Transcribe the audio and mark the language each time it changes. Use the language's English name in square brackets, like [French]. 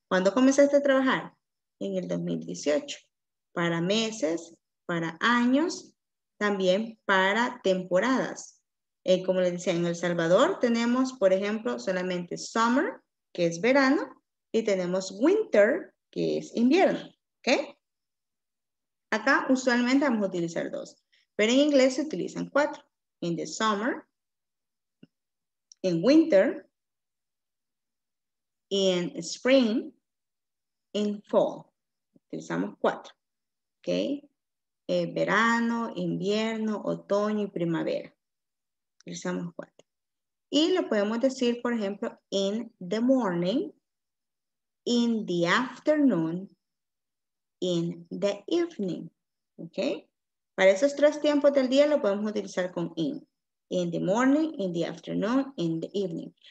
[Spanish] ¿Cuándo comenzaste a trabajar? En el 2018. Para meses, para años, también para temporadas. Como les decía, en El Salvador tenemos, por ejemplo, solamente summer, que es verano, y tenemos winter, que es invierno. ¿Ok? Acá usualmente vamos a utilizar dos, pero en inglés se utilizan cuatro. [English] In the summer, in winter, in spring, in fall. [Spanish] Utilizamos cuatro. ¿Ok? Verano, invierno, otoño y primavera. Utilizamos cuatro. Y lo podemos decir, por ejemplo, [English] in the morning, in the afternoon, in the evening. [Spanish] ¿Ok? Para esos tres tiempos del día lo podemos utilizar con in. [English] In the morning, in the afternoon, in the evening.